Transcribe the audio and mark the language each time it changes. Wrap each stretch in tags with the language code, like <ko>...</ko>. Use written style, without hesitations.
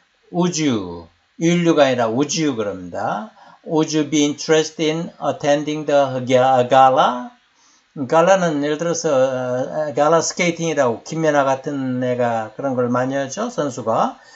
<ko>우주, 인류가 아니라 우주 그럽니다.</ko> <en>Would you be interested in attending the gala?</en> <ko>갈라는 예를 들어서 갈라 스케이팅이라고 김연아 같은 애가 그런 걸 많이 하죠, 선수가.</ko>